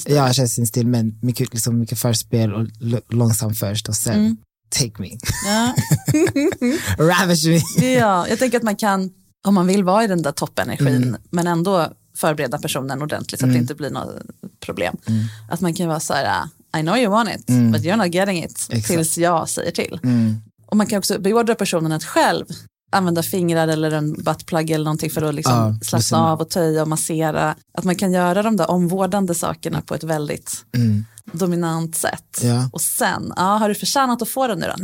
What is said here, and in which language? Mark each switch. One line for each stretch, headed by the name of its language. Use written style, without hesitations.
Swedish: stil. Ja, kör sin stil. Men mycket, liksom, mycket förspel och långsamt först och sen...
English: Take me. Ravish me.
Swedish: Ja, jag tänker att man kan, om man vill vara i den där toppenergin, men ändå förbereda personen ordentligt så att det inte blir något problem. Att man kan vara så här,
English: I know you want it, but you're not getting it.
Swedish: Exakt. Tills jag säger till. Och man kan också beordra personen att själv använda fingrar eller en buttplug eller någonting för att liksom slappna av och töja och massera. Att man kan göra de där omvårdande sakerna på ett väldigt... dominant sätt. Och sen, har du förtjänat att få den nu då?